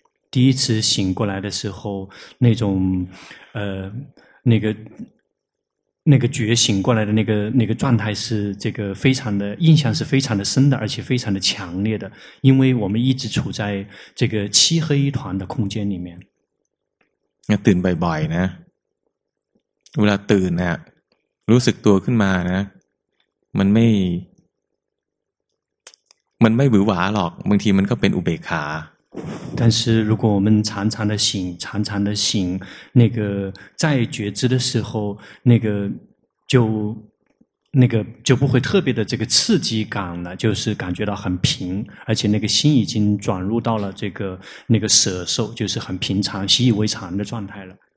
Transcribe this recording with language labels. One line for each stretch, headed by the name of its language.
Chinese: 第一次醒过来的时候那种那个觉醒过来的那个状态是这个非常的印象是非常的深的而且非常的强烈的因为我们一直处在这个漆黑一团的空间里面
Thai: ตื่นบ่อยๆนะเวลาตื่นเนี่ยรู้สึกตัวขึ้นมานะมันไม่หวือหวาหรอกบางทีมันก็เป็นอุเบกขา
Chinese: 但是如果我们常常的醒常常的醒那个在觉知的时候那个就不会特别的这个刺激感了就是感觉到很平而且那个心已经转入到了这个那个舍受就是很平常习以为常的状态了